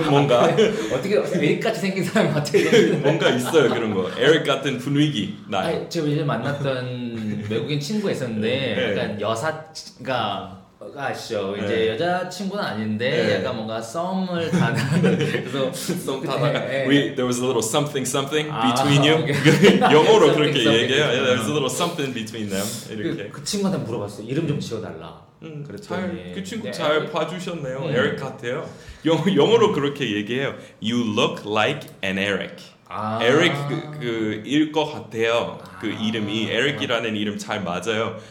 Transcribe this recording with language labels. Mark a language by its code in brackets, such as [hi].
[ko] 뭔가 어떻게 에릭 같이 생긴 사람 같아요. 뭔가 있어요, 그런 거. 에릭 같은 분위기 나요. 아니, 제가 예전에 만났던 외국인 친구 있었는데 약간 여사가 아시죠? 이제 여자 친구는 아닌데 약간 뭔가 썸을 타는 그래서 썸 타다가 [en] there was a little something something between you. [ko] 영어로 그렇게 얘기해요. [en] Yeah, there was a little something between them. [ko] 그 친구한테 물어봤어요. 이름 좀 지어달라. 그렇죠. 그 친구 잘 봐주셨네요. 에릭 같아요. 영어로 그렇게 얘기해요. [en] You look like an Eric. [ko] 아. Eric 그일 것 같아요. 그 이름이 Eric이라는 이름 잘 맞아요.